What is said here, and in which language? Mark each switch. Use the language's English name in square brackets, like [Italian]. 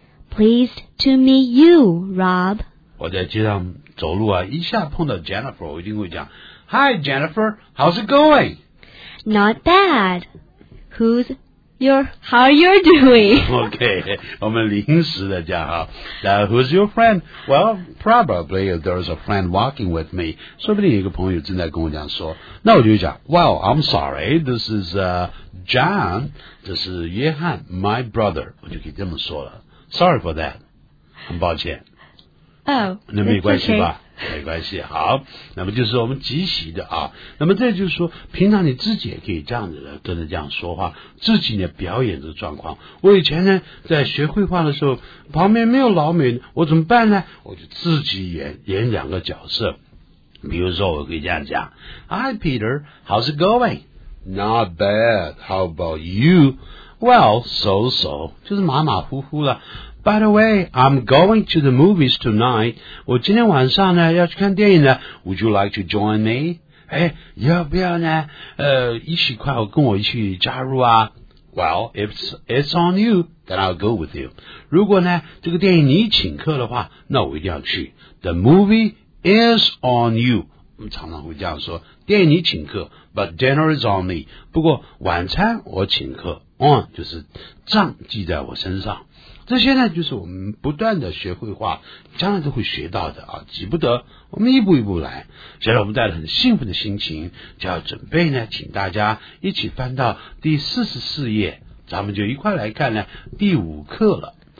[English] Pleased to meet you, Rob. [Chinese] 我在街上走路啊，一下碰到 Jennifer， 我一定会讲 ， [English] Hi Jennifer， how's it going? Not bad. Who's your? How are you doing? [Chinese] Okay， 我们临时的讲哈。 [English] Now, who's your friend? Well, probably there's a friend walking with me. [Chinese] 说不定有一个朋友正在跟我讲说，那我就讲 ， [English] Well, I'm sorry. This is John. [Chinese] 这是约翰 [English] ，my brother. [Chinese] 我就可以这么说了。 [English] Sorry for that. [Chinese] 很抱歉。 Oh, 那没关系吧、 okay. 没关系。好那么就是我们即席的啊。那么这就是说平常你自己也可以这样子的跟着这样说话自己的表演的状况。我以前呢在学绘画的时候旁边没有老美我怎么办呢我就自己演两个角色。比如说我可以这样讲。 [English] Hi, Peter, how's it going? Not bad, how about you? Well, so-so, [Chinese] 就是马马虎虎了。 [English] By the way, I'm going to the movies tonight. [Chinese] 我今天晚上呢要去看电影呢。 [English] Would you like to join me? [Chinese] 哎，要不要呢？一起快跟我一起加入啊。 [English] Well, if it's on you, then I'll go with you. [Chinese] 如果呢，这个电影你请客的话，那我一定要去。 [English] The movie is on you. [Chinese] 我们常常会这样说，电影你请客 [English] ，but dinner is on me. [Chinese] 不过晚餐我请客。on 就是账记在我身上这些呢就是我们不断的学绘画将来都会学到的啊，急不得我们一步一步来现在我们带着很兴奋的心情就要准备呢请大家一起翻到第44页咱们就一块来看呢第五课了